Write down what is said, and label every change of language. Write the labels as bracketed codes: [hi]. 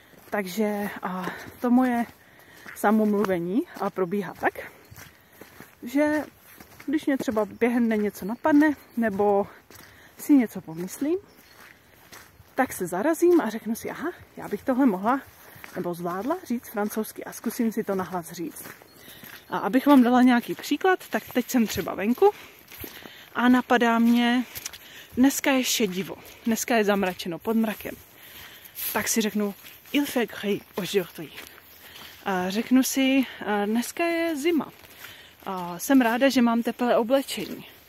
[cs] Takže to moje samomluvení probíhá tak, že když mě třeba během dne něco napadne, nebo si něco pomyslím, tak se zarazím a řeknu si, aha, já bych tohle mohla nebo zvládla říct francouzsky a zkusím si to nahlas říct. A abych vám dala nějaký příklad, tak teď jsem třeba venku a napadá mě, dneska je šedivo, dneska je zamračeno pod mrakem. [fr] Tak si řeknu, il fait gris aujourd'hui. [cs] Řeknu si, dneska je zima. Jsem ráda, že mám teplé oblečení.